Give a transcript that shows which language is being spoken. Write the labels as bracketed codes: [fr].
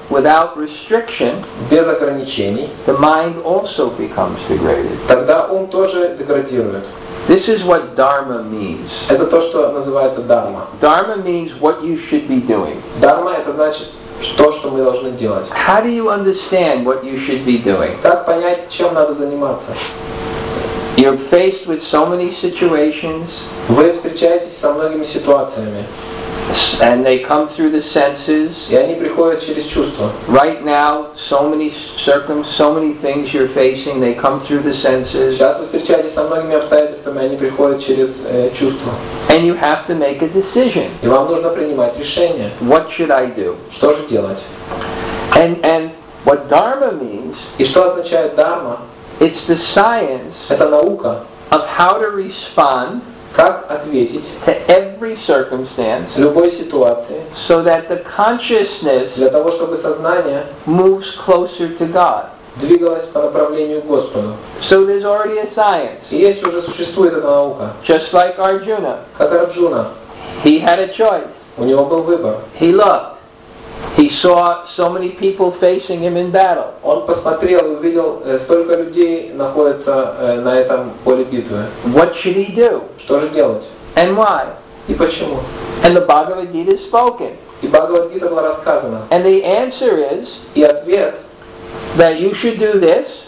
[en] without restriction, [ru] без ограничений, [en] the mind also becomes degraded. [ru] Тогда ум тоже деградирует. [en] This is what dharma means. [ru] Это то, что называется дхарма. [en] Dharma means what you should be doing. [ru] Дхарма это значит то, что мы должны делать. [en] How do you understand what you should be doing? [ru] Как понять, чем надо заниматься? [en] You're faced with so many situations. [ru] Вы встречаетесь со многими ситуациями. [en] And they come through the senses. [ru] И они приходят через чувства. [en] Right now, so many things you're facing, they come through the senses. [ru] Сейчас вы встречаетесь со многими обстоятельствами, они приходят через чувства. [en] And you have to make a decision. [ru] И вам нужно принимать решение. [en] What should I do? [ru] Что же делать? [en] And what dharma means? [ru] И что означает дхарма? [en] It's the science. [ru] Это наука. [en] Of how to respond. [ru] Как ответить [en] to every circumstance, [ru] любой ситуации, [en] so that the consciousness [ru] для того, чтобы сознание [en] moves closer to God. [ru] Двигалось по направлению к Господу. [en] So there's already a science. [ru] И есть уже существует эта наука. [en] Just like Arjuna. [ru] Как Арджуна. [en] He had a choice. [ru] У него был выбор. [en] He looked. He saw so many people facing him in battle. [ru] Он посмотрел и увидел, столько людей находится на этом поле битвы. [en] What should he do? [ru] Что же делать? [en] And why? [ru] И почему? [en] And the Bhagavad Gita is spoken. [ru] И Бхагавад Гита была рассказана. [en] And the answer is, [ru] и ответ, [en] that you should do this,